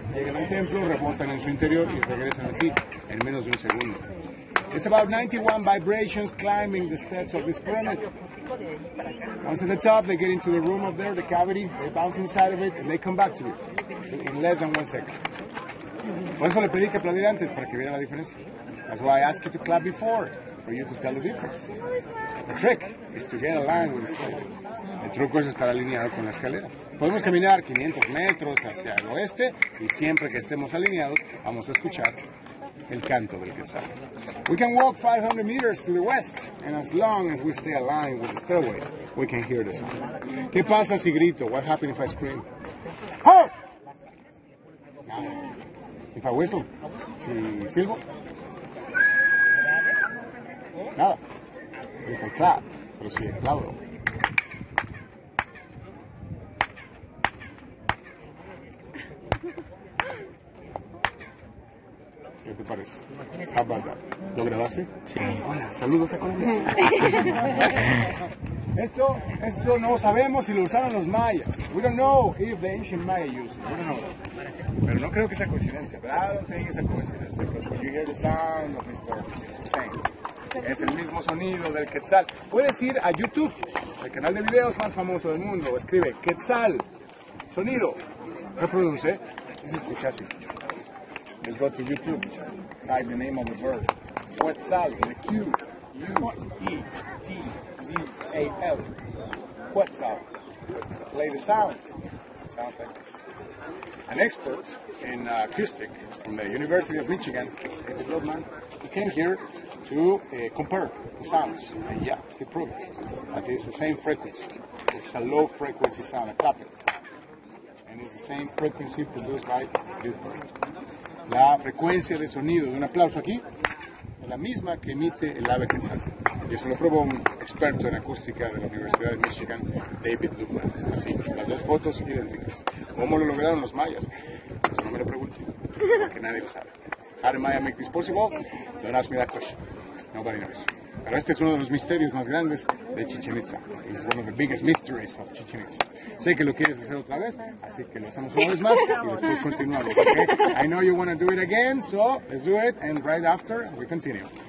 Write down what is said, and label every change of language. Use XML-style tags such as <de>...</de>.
<es>Llegan al templo, rebotan en su interior y regresan aquí en menos de un segundo.</es> <en>It's about 91 vibrations climbing the steps of this pyramid. Once at the top, they get into the room up there, the cavity, they bounce inside of it, and they come back to you in less than 1 second.</en> <es>Por eso le pedí que aplaudiera antes, para que viera la diferencia.</es> <en>That's why I asked you to clap before, for you to tell the difference. The trick is to get aligned with the escalera.</en> <es>El truco es estar alineado con la escalera. Podemos caminar 500 metros hacia el oeste, y siempre que estemos alineados, vamos a escuchar el canto del quetzal.</es> <en>We can walk 500 meters to the west, and as long as we stay aligned with the stairway, we can hear the sound. ¿Qué pasa si grito? What happens if I scream? Oh! If I whistle? Si silbo?</en> <es>Nada. If I clap? Pero si aplaudo. ¿Qué te parece? How about that? ¿Lo grabaste? Sí. Hola, saludos a Colombia. Esto no sabemos si lo usaron los mayas. We don't know if the ancient Maya used it. We don't know that. Pero no creo que sea coincidencia. ¿Verdad? No sé que sea coincidencia. Because you hear the sound of these birds. Es el mismo sonido del quetzal. Puedes ir a YouTube, el canal de videos más famoso del mundo. Escribe quetzal. Sonido. Reproduce. Y se escucha así.</es> <en>Let's go to YouTube, type the name of the bird. Quetzal, the Q-U-E-T-Z-A-L. Quetzal. play the sound. Sounds like this. An expert in acoustic from the University of Michigan, David Goldman, he came here to compare the sounds. And yeah, he proved it. But it's the same frequency. It's a low frequency sound, a clapping. And it's the same frequency produced by this bird.</en> <es>La frecuencia de sonido de un aplauso aquí es la misma que emite el ave quetzal. Y eso lo probó un experto en acústica de la Universidad de Michigan, David Lubman. Así, las dos fotos idénticas. ¿Cómo lo lograron los mayas? Pues no me lo pregunten, porque nadie lo sabe. How did Maya make this possible? Don't ask me that question. Nobody knows. Pero este es uno de los misterios más grandes de Chichen Itza.</es> <en>It's one of the biggest mysteries of Chichen Itza.</en> <es>Sé que lo quieres hacer otra vez, así que lo hacemos una vez más y después continuamos, okay?</es> <en>I know you want to do it again, so let's do it, and right after we continue.</en>